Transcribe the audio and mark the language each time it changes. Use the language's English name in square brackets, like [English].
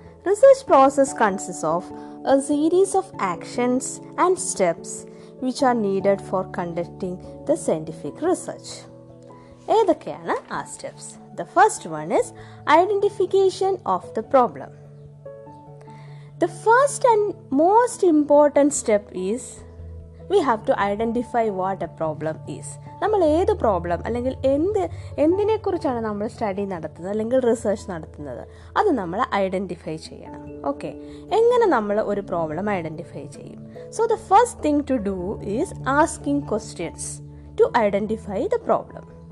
[English] Research process consists of a series of actions and steps which are needed for conducting the scientific research. [Malayalam] ഏതൊക്കെയാണ് ആ steps? [English] The first one is identification of the problem. The first and most important step is we have to identify what a problem is. [Malayalam] നമ്മൾ ഏത് problem അല്ലെങ്കിൽ എന്തിനെക്കുറിച്ചാണ് നമ്മൾ study നടത്തുന്നത് അല്ലെങ്കിൽ research നടത്തുന്നത്, അത് നമ്മൾ ഐഡൻറ്റിഫൈ ചെയ്യണം. ഓക്കെ, എങ്ങനെ നമ്മൾ ഒരു പ്രോബ്ലം ഐഡൻറ്റിഫൈ ചെയ്യും? [English] So the first thing to do is asking questions to identify the problem.